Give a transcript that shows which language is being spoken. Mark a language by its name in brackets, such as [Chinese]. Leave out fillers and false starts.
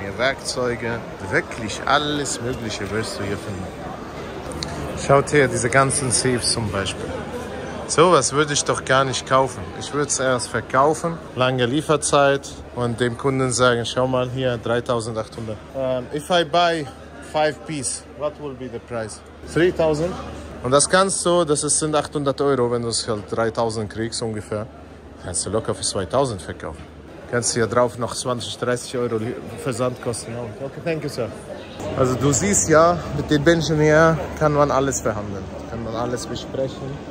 [German] Hier Werkzeuge, wirklich alles Mögliche wirst du hier finden. Schaut hier, diese ganzen Safes zum Beispiel. Sowas würde ich doch gar nicht kaufen. Ich würde es erst verkaufen, lange Lieferzeit und dem Kunden sagen, schau mal hier, 3.800. [English] If I buy 5 piece, what will be the price? 3.000. [German] Und das kannst du, das sind 800 Euro, wenn du es halt 3.000 kriegst ungefähr. Kannst du locker für 2.000 verkaufen. Kannst du hier drauf noch 20, 30 Euro Versandkosten haben. [English] Okay, thank you, sir. [German] Also du siehst ja, mit den Menschen hier kann man alles verhandeln, kann man alles besprechen.